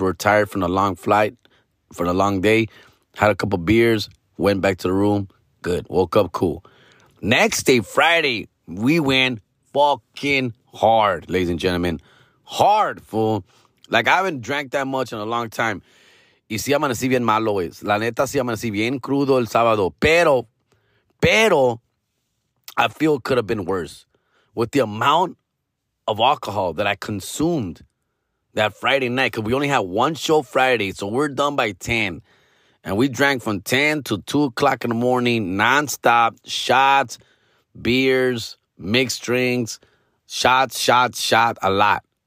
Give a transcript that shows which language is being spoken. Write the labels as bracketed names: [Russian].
[English] We were tired from the long flight, from the long day. Had a couple beers, went back to the room. Good. Woke up cool. Next day, Friday, we went fucking hard, ladies and gentlemen. Hard, fool. Like, I haven't drank that much in a long time. [Spanish] Y si amanecí bien malo, es. La neta, si amanecí bien crudo el sábado. Pero, [English] I feel it could have been worse. With the amount of alcohol that I consumed that Friday night, because we only had one show Friday, so we're done by 10. And we drank from 10 to 2 o'clock in the morning, nonstop, shots, beers, mixed drinks, shots, a lot.